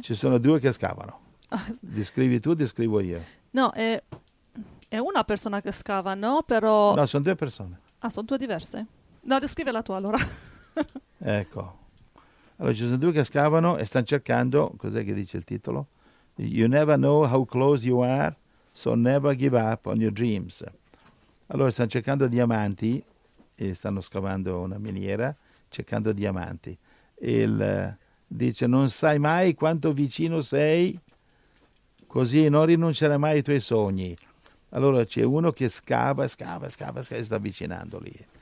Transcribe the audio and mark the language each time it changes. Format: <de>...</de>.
<it>Ci sono due che scavano. Descrivi tu, descrivo io. No, è una persona che scava, no? Però... No, sono due persone. Ah, sono due diverse? No, descrivi la tua allora. Ecco. Allora, ci sono due che scavano e stanno cercando, cos'è che dice il titolo?</it> <en>You never know how close you are, so never give up on your dreams.</en> <it>Allora, stanno cercando diamanti, e stanno scavando una miniera, cercando diamanti. E il dice, non sai mai quanto vicino sei, così non rinunciare mai ai tuoi sogni. Allora, c'è uno che scava, e si sta avvicinando lì.</it>